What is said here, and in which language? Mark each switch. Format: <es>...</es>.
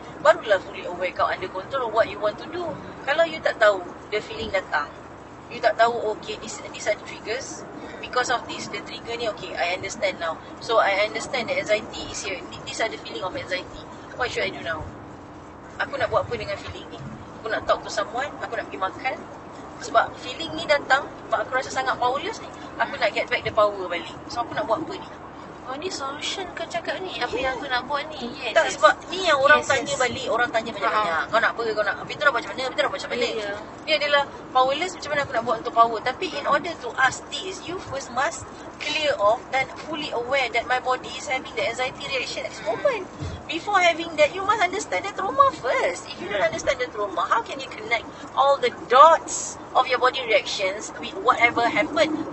<ms>Barulah</ms> <en>fully aware</en> <ms>kau</ms> <en>under control what you want to do.</en> <ms>Kalau</ms> <en>you</en> <ms>tak tahu</ms> <en>the feeling</en> <ms>datang,</ms> <en>you tak tahu, okay, these are the triggers. Because of this, the trigger</en> <ms>ni,</ms> <en>okay, I understand now. So, I understand that anxiety is here. These are the feeling of anxiety. What should I do now?</en> <ms>Aku nak buat apa dengan</ms> <en>feeling</en> <ms>ni? Aku nak</ms> <en>talk to someone?</en> <ms>Aku nak pergi makan? Sebab feeling ni datang, sebab aku rasa sangat powerless ni. Aku nak</ms> <en>get back the power</en> <ms>balik.</ms> <en>So,</en> <ms>aku nak buat apa ni? Oh, ni solution kau cakap ni? Apa yang aku nak buat ni?</ms> <en>Yes,</en> <ms>tak,</ms> <en>yes.</en> <ms>Sebab ni yang orang tanya balik. Orang tanya banyak-banyak. Kau nak apa? Kau nak apa? Itu nak macam mana? Ni adalah powerless. Macam mana aku nak buat untuk power?</ms> <en>Tapi in order to ask this, you first must clear off and fully aware that my body is having the anxiety reaction at this moment. Before having that, you must understand the trauma first. If you don't understand the trauma, how can you connect all the dots of your body reactions with whatever happened?</en>